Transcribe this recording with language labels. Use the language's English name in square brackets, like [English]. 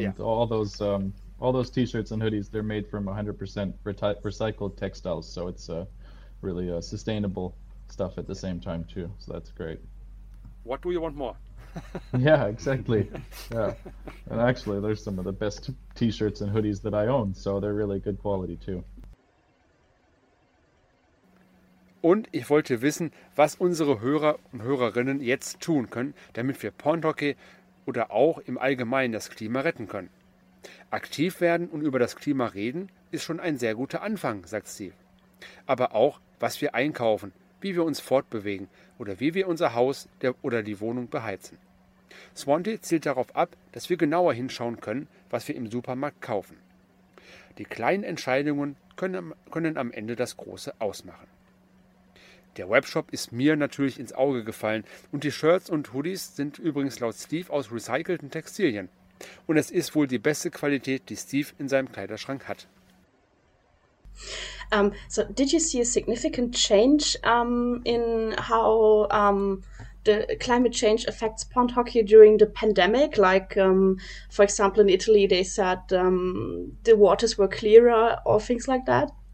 [English] All those t-shirts and hoodies, they're made from 100% recycled textiles, so it's really sustainable stuff at the same time too, so that's great. What do you want more? Yeah, exactly. Yeah, and actually there's some of the best t-shirts and hoodies that I own, so they're really good quality too. [German] Und ich wollte wissen, was unsere Hörer und Hörerinnen jetzt tun können, damit wir Pond Hockey oder auch im Allgemeinen das Klima retten können. Aktiv werden und über das Klima reden ist schon ein sehr guter Anfang, sagt Steve. Aber auch, was wir einkaufen, wie wir uns fortbewegen oder wie wir unser Haus oder die Wohnung beheizen. Swante zielt darauf ab, dass wir genauer hinschauen können, was wir im Supermarkt kaufen. Die kleinen Entscheidungen können am Ende das Große ausmachen. Der Webshop ist mir natürlich ins Auge gefallen und die Shirts und Hoodies sind übrigens laut Steve aus recycelten Textilien. Und es ist wohl die beste Qualität, die Steve in seinem Kleiderschrank hat. [English] So did you see a significant change in how the climate change affects pond hockey during the pandemic? Like, for example, in Italy, they said the waters were clearer or things like that?